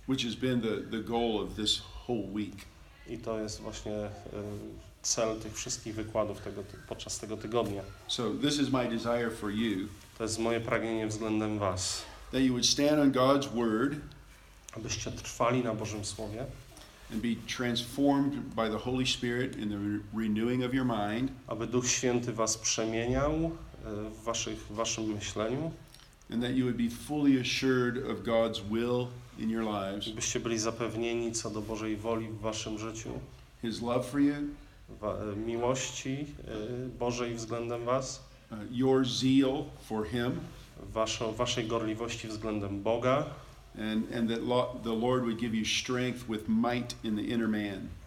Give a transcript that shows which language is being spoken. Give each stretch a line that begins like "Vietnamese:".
English: Which has been the goal of this whole week.
Polish: I to jest właśnie cel tych wszystkich wykładów podczas tego tygodnia.
English: So this is my desire for you.
Polish: To jest moje pragnienie względem was.
English: That you would stand on God's word.
Polish: Abyście trwali na Bożym Słowie.
English: And be transformed by the Holy Spirit in the renewing of your mind.
Polish: Aby Duch Święty was przemieniał w waszym myśleniu.
English: And that you would be fully assured of God's will in your lives.
Polish: Byście byli zapewnieni co do Bożej woli w waszym życiu.
English: His love for you.
Polish: Miłości Bożej względem was.
English: Your zeal for him.
Polish: Waszej gorliwości względem Boga.
English: And that the Lord would give you strength with might in the inner man.